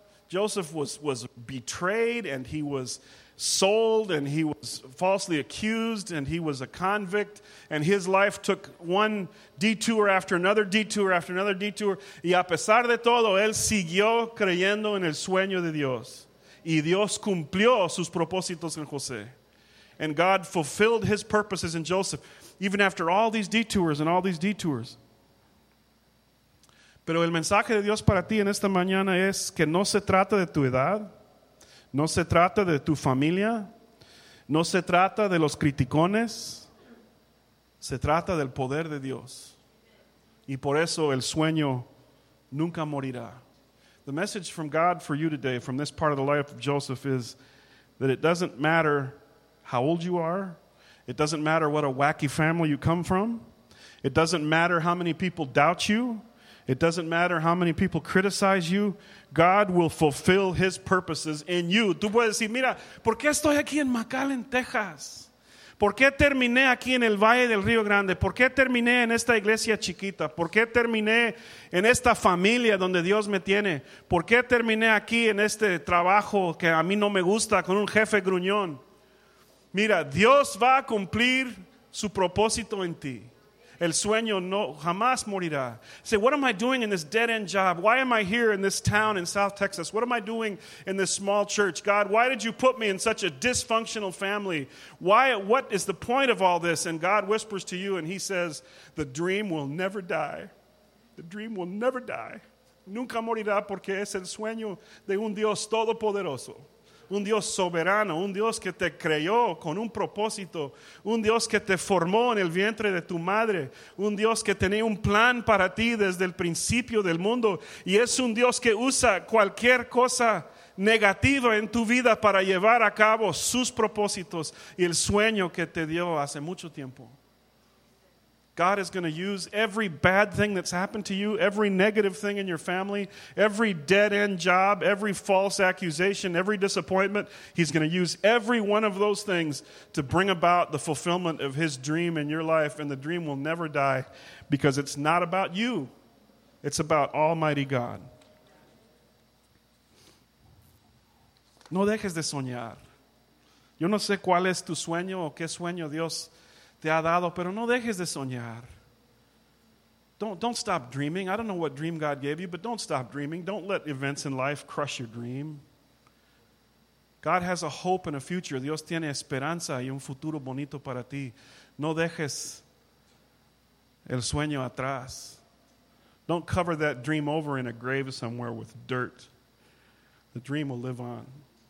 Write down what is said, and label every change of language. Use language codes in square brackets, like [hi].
[en] Joseph was betrayed and he was sold and he was falsely accused and he was a convict and his life took one detour after another detour after another detour. [es] Y a pesar de todo, él siguió creyendo en el sueño de Dios. Y Dios cumplió sus propósitos en José. [en] And God fulfilled his purposes in Joseph, even after all these detours and all these detours. [es] Pero el mensaje de Dios para ti en esta mañana es que no se trata de tu edad, no se trata de tu familia, no se trata de los criticones, se trata del poder de Dios. Y por eso el sueño nunca morirá. [en] The message from God for you today, from this part of the life of Joseph, is that it doesn't matter how old you are, it doesn't matter what a wacky family you come from, it doesn't matter how many people doubt you, it doesn't matter how many people criticize you. God will fulfill his purposes in you. [es] Tú puedes decir, mira, ¿por qué estoy aquí en McAllen, Texas? ¿Por qué terminé aquí en el Valle del Río Grande? ¿Por qué terminé en esta iglesia chiquita? ¿Por qué terminé en esta familia donde Dios me tiene? ¿Por qué terminé aquí en este trabajo que a mí no me gusta con un jefe gruñón? Mira, Dios va a cumplir su propósito en ti. El sueño no jamás morirá. [en] Say, what am I doing in this dead-end job? Why am I here in this town in South Texas? What am I doing in this small church? God, why did you put me in such a dysfunctional family? Why? What is the point of all this? And God whispers to you and he says, the dream will never die. The dream will never die. [es] Nunca morirá porque es el sueño de un Dios todopoderoso. Un Dios soberano, un Dios que te creó con un propósito, un Dios que te formó en el vientre de tu madre, un Dios que tenía un plan para ti desde el principio del mundo y es un Dios que usa cualquier cosa negativa en tu vida para llevar a cabo sus propósitos y el sueño que te dio hace mucho tiempo. [en] God is going to use every bad thing that's happened to you, every negative thing in your family, every dead-end job, every false accusation, every disappointment. He's going to use every one of those things to bring about the fulfillment of his dream in your life. And the dream will never die because it's not about you. It's about Almighty God. [es] No dejes de soñar. Yo no sé cuál es tu sueño o qué sueño Dios te ha dado, pero no dejes de soñar. [en] Don't stop dreaming. I don't know what dream God gave you, but don't stop dreaming. Don't let events in life crush your dream. God has a hope and a future. [es] Dios tiene esperanza y un futuro bonito para ti. No dejes el sueño atrás. [en] Don't cover that dream over in a grave somewhere with dirt. The dream will live on.